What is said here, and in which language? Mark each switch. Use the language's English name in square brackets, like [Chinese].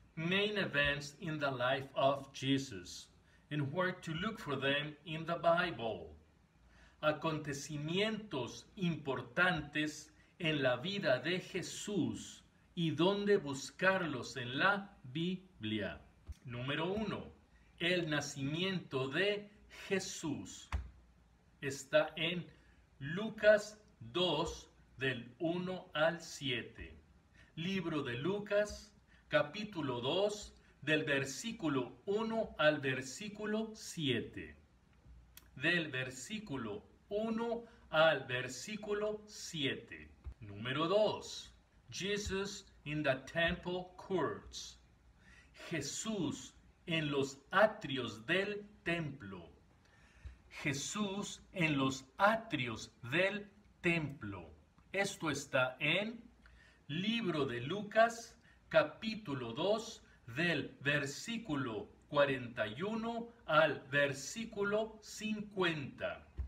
[English] Main events in the life of Jesus. And where to look for them in the Bible. [Spanish] Acontecimientos importantes en la vida de Jesús y dónde buscarlos en la Biblia. Número 1. El nacimiento de Jesús. Está en Lucas 2, del 1 al 7. Libro de Lucas, capítulo 2. Del versículo 1 al versículo 7. Del versículo 1 al versículo 7. Número 2. [English] Jesus in the temple courts. [Spanish] Jesús en los atrios del templo. Jesús en los atrios del templo. Esto está en Libro de Lucas, capítulo 2. Del versículo 41 al versículo 50.